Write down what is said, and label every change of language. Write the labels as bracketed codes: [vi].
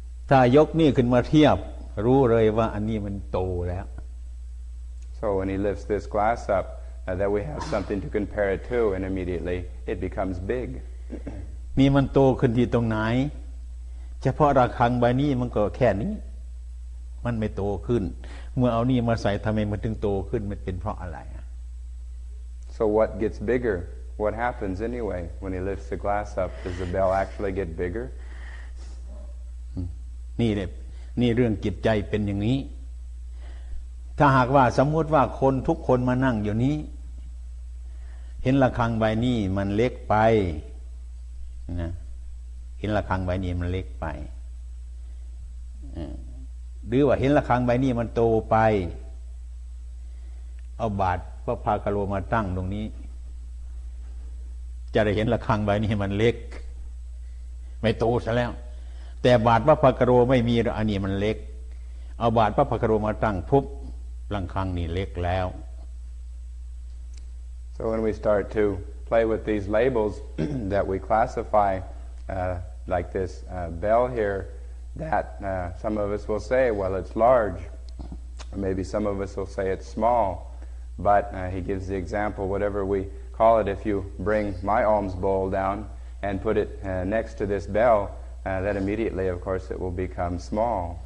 [th] ถ้ายกนี่ขึ้นมาเทียบรู้เลยว่าอันนี้มันโตแล้ว [en] So when he lifts this glass up, that we have something to compare it to, and immediately it becomes big. [th] มีมันโตขึ้นที่ตรงไหนเฉพาะระฆังใบนี้มันก็แค่นี้มันไม่โตขึ้นเมื่อเอานี่มาใส่ทำไมมันถึงโตขึ้นมันเป็นเพราะอะไร [en] So what gets bigger? What happens anyway when he lifts the glass up? Does the bell actually get bigger? [th] นี่เรื่องจิตใจเป็นอย่างนี้ถ้าหากว่าสมมติว่าคนทุกคนมานั่งอยู่นี้เห็นระฆังใบนี้มันเล็กไปนะเห็นระฆังใบนี้มันเล็กไป หรือว่าเห็นระฆังใบนี้มันโตไปเอาบาตรพระพากะโลมาตั้งตรงนี้จะได้เห็นระฆังใบนี้มันเล็กไม่โตซะแล้วแต่บาตรพระพากะโลไม่มีอันนี้มันเล็กเอาบาตรพระพากะโลมาตั้งปุ๊บลังคังนี่เล็กแล้ว [en] So when we start to play with these labels that we classify like this bell here that some of us will say well it's large or maybe some of us will say it's small but he gives the example whatever we call it if you bring my alms bowl down and put it next to this bell that immediately of course it will become small